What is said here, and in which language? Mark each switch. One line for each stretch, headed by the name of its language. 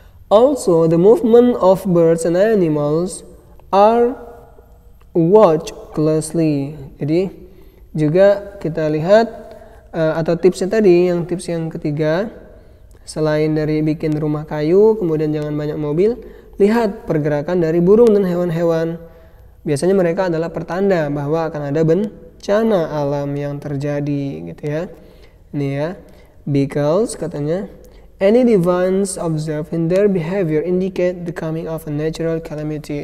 English: Also, the movement of birds and animals are watched closely.
Indonesian: Jadi juga kita lihat atau tipsnya tadi, yang tips yang ketiga, selain dari bikin rumah kayu, kemudian jangan banyak mobil, lihat pergerakan dari burung dan hewan-hewan. Biasanya mereka adalah pertanda bahwa akan ada bencana alam yang terjadi, gitu ya. Ini ya,
English: because
Indonesian: katanya,
English: any events observed in their behavior indicate the coming of a natural calamity.